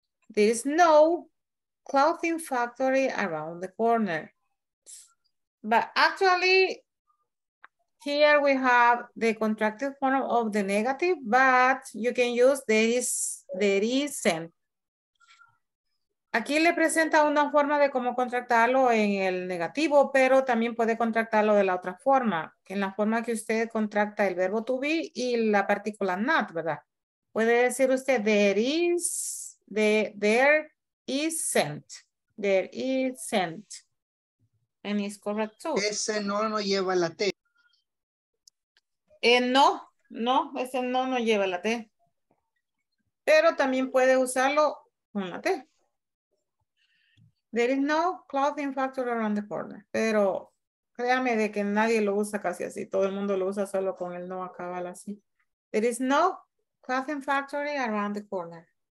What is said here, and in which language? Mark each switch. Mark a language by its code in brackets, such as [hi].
[en] There is no clothing factory around the corner. But actually, here we have the contracted form of the negative, but you can use there isn't. [es] Aquí le presenta una forma de cómo contractarlo en el negativo, pero también puede contractarlo de la otra forma, en la forma que usted contracta el verbo to be y la partícula not, ¿verdad? Puede decir usted [en] there isn't. And it's correct too. [es] Ese no lleva la T. No lleva la T. Pero también puede usarlo con la T. [en] There is no clothing factory around the corner. [es] Pero créame de que nadie lo usa casi así. Todo el mundo lo usa solo con el no acabal así. [en] There is no clothing factory around the corner.